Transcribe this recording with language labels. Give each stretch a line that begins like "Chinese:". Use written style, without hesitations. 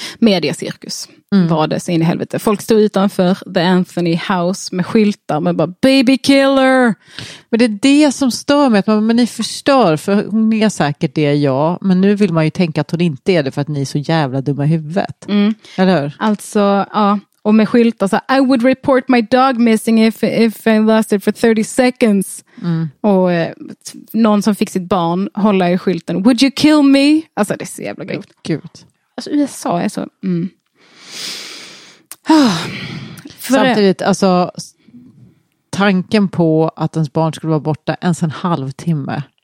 Swedish: Mediacirkus var det så in i helvete. Folk stod utanför The Anthony House med skyltar med bara
English: baby killer.
Swedish: Men det är det som stör mig. Men ni förstör, för hon är säkert det, ja. Men nu vill man ju tänka att hon inte är det för att ni är så jävla dumma i huvudet. Mm. Eller hur? Alltså, ja. Och med skyltar så
English: I would report my dog missing if I lost it for 30 seconds. Mm.
Swedish: Och någon som fick sitt barn håller i skylten.
English: Would you kill me?
Swedish: Alltså det är så jävla grovt. Gud. Alltså USA är så... Mm. Samtidigt, alltså... Tanken på att ens barn skulle vara borta ens en halvtimme.